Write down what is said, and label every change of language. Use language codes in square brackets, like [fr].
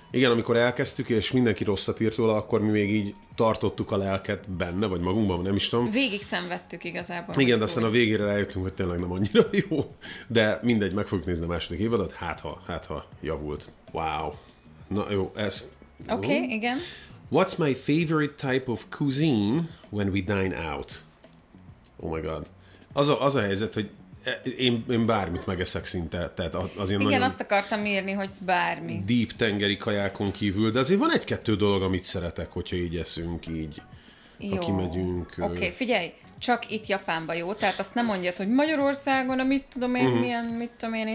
[hu] Igen, amikor elkezdtük, és mindenki rosszat írt róla, akkor mi még így tartottuk a lelket benne, vagy magunkban, nem is tudom. Végig szenvedtük igazából. Igen, de aztán a végére rájöttünk, hogy tényleg nem annyira jó. De mindegy, meg fogjuk nézni a második évadat, hát ha javult. Wow. Na jó, ezt... Oké, igen. [en] What's my favorite type of cuisine when we dine out? Oh my god. [hu] Az a helyzet, hogy én bármit megeszek szinte, tehát az ilyen nagyon... Igen, azt akartam írni, hogy bármi. Deep tengeri kajákon kívül, de azért van egy-kettő dolog, amit szeretek, hogyha így eszünk, így, jó. Ha kimegyünk. Oké, figyelj, csak itt Japánban jó, tehát azt nem mondjad, hogy Magyarországon, amit tudom én, milyen étterem.